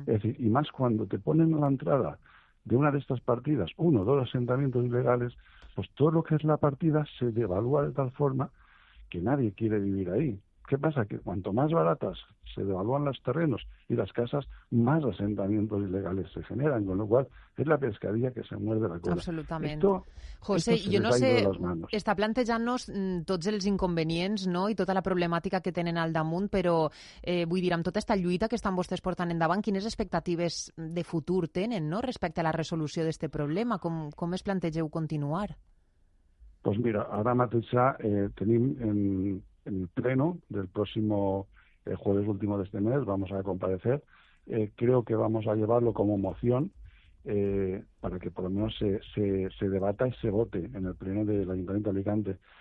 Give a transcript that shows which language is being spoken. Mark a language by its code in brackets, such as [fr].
[es] Es decir, y más cuando te ponen a la entrada de una de estas partidas, uno o dos asentamientos ilegales, pues todo lo que es la partida se devalúa de tal forma que nadie quiere vivir ahí. ¿Qué pasa? Que cuanto más baratas se devalúan los terrenos y las casas, más asentamientos ilegales se generan, con lo cual es la pescadilla que se muerde la cola. Absolutamente. [ca] José, jo no sé, està plantejant-nos tots els inconvenients, no?, i tota la problemàtica que tenen al damunt, però vull dir, amb tota aquesta lluita que estan vostès portant endavant, quines expectatives de futur tenen, no?, respecte a la resolució d'aquest problema? Com es plantegeu continuar? [es] Pues mira, [ca] ara mateix tenim [es] en el pleno del próximo jueves último de este mes, vamos a comparecer. Creo que vamos a llevarlo como moción para que por lo menos se debata y se vote en el pleno del Ayuntamiento de Alicante.